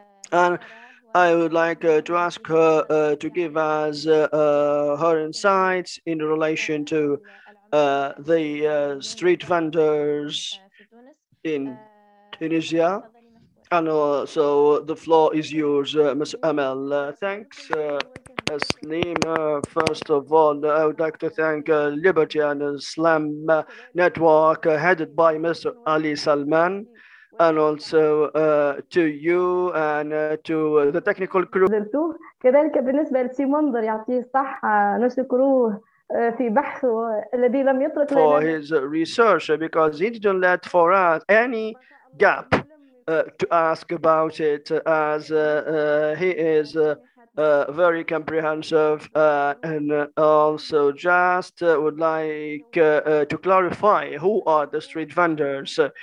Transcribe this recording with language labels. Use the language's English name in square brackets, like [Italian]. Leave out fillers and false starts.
[English] And I would like to ask her to give us her insights in relation to the street vendors in Tunisia, and also the floor is yours, Ms. Amel. Thanks, Asleem. First of all, I would like to thank Liberty and Islam Network, headed by Mr. Ali Salman, and also to you and to the technical crew. [Arabic] كذلك بالنسبة لسي منظر يعطي صح نشكره في بحثه الذي لم يترك [English] لنا for his research, because he didn't let for us any gap to ask about it, as he is very comprehensive, and also just would like to clarify who are the street vendors.